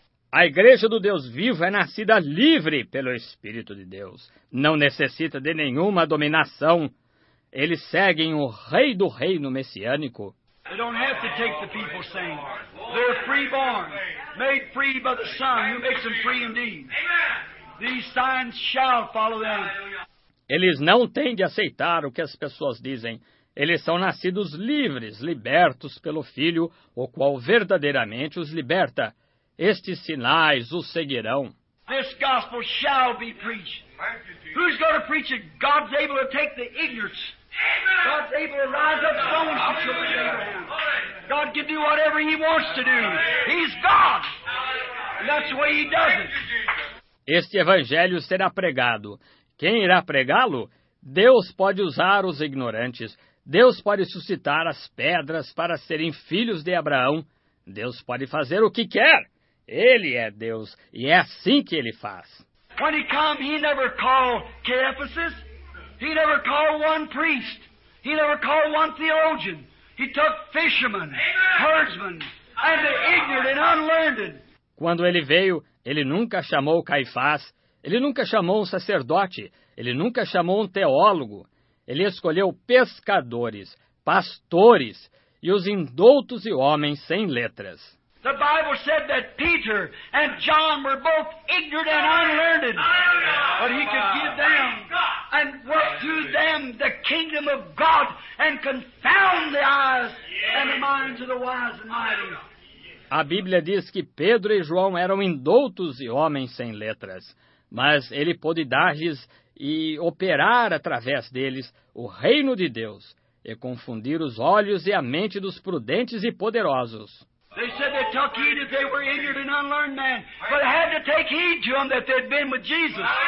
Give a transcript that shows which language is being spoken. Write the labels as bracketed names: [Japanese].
[Portuguese] A igreja do Deus vivo é nascida livre pelo Espírito de Deus. Não necessita de nenhuma dominação. Eles seguem o rei do reino messiânico. [English] They don't have to take the people saying. They're freeborn, made free by the Son, who makes them free indeed. These signs shall follow them. [Portuguese] Eles não têm de aceitar o que as pessoas dizem. Eles são nascidos livres, libertos pelo Filho, o qual verdadeiramente os liberta. Estes sinais os seguirão. [English] This gospel shall be preached. Who's going to preach it? God's able to take the ignorance. God's able to rise up bones to children. God can do whatever he wants to do. He's God. And that's the way he does it. [Portuguese] Este evangelho será pregado. Quem irá pregá-lo? Deus pode usar os ignorantes. Deus pode suscitar as pedras para serem filhos de Abraão. Deus pode fazer o que quer. Ele é Deus, e é assim que ele faz. [English] When he come, he never called Caiaphas. He never called one priest. He never called one theologian. He took fishermen, herdsmen, and the ignorant and unlearned. [Portuguese] Quando ele veio, ele nunca chamou Caifás, ele nunca chamou um sacerdote, ele nunca chamou um teólogo. Ele escolheu pescadores, pastores e os indoutos e homens sem letras. [English] The Bible said that Peter and John were both ignorant and unlearned. But he could give them and work through them the kingdom of God and confound the eyes and the minds of the wise and mighty. [Portuguese] A Bíblia diz que Pedro e João eram indoutos e homens sem letras, mas ele pôde dar-lhes e operar através deles o reino de Deus e confundir os olhos e a mente dos prudentes e poderosos. [English] They said they took heed that they were ignorant and unlearned men, but they had to take heed to them that they'd been with Jesus.